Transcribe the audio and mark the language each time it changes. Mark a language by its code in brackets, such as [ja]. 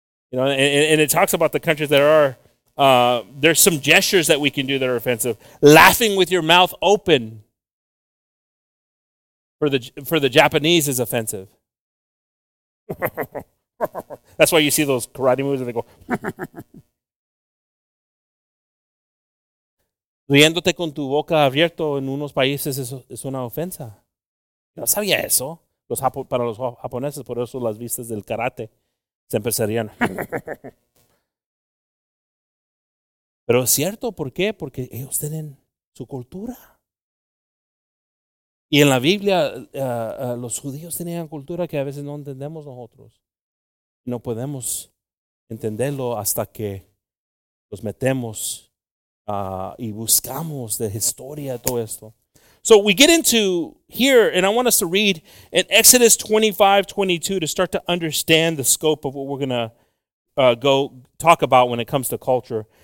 [en] You know, and it talks about the countries that are, there's some gestures that we can do that are offensive. Laughing with your mouth open for the Japanese is offensive. That's why you see those karate moves and they go. [es] Riéndote con tu boca abierto en unos países es una ofensa. No sabía eso. Para los japoneses, por eso las vistas del karate siempre serían. Pero es cierto, ¿por qué? Porque ellos tienen su cultura. Y en la Biblia, los judíos tenían cultura que a veces no entendemos nosotros. No podemos entenderlo hasta que nos metemos y buscamos la historia de todo esto. [en] So we get into here, and I want us to read in Exodus 25:22 to start to understand the scope of what we're going to go talk about when it comes to culture.